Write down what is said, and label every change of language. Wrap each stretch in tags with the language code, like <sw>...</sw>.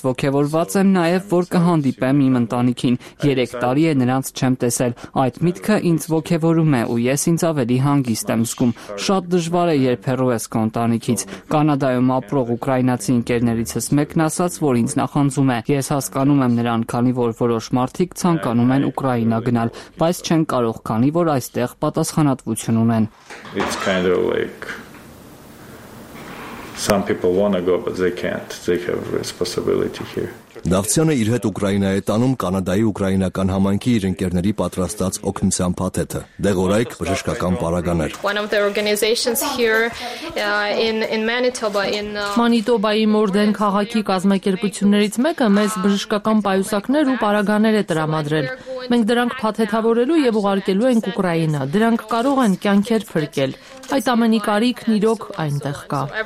<hy>ոգևորված եմ նաև, որ կհանդիպեմ իմ ընտանիքին։ 3 տարի է նրանց չեմ տեսել։ Այդ միտքը ինձ ոգևորում է, ու ես ինձ ավելի հանգիստ եմ զգում։ Շատ դժվար է երբ հեռու ես քո ընտանիքից։ Կանադայում ապրող ուկրաինացի ընկերներիցս մեկն ասաց, որ ինձ նախանձում է։ Ես հասկանում եմ նրան, քանի որ որոշ մարդիկ ցանկանում են Ուկրաինա գնալ, բայց չեն կարող, քանի որ այստեղ պատասխանատվություն ունեն։</hy> <en>Some people want to go but they can't. They have responsibility here.</en> <hy>Դավթյանը իր հետ Ուկրաինա է տանում Կանադայի Ուկրաինական համայնքի իր ընկերների պատրաստած օգնության փաթեթը։ Դեղորայք բժշկական պարագաներ։ Մանիտոբայի Մորդեն քաղաքի կազմակերպություններից մեկը մեզ բժշկական պայուսակներ ու պարագաներ է տրամադրել։ Մենք դրանք փաթեթավորելու եւ ուղարկելու ենք Ուկրաինա։ Դրանք կարող են կյանքեր փրկել։ Այդ ամենի կարիքն իրոք այնտեղ կա։</hy>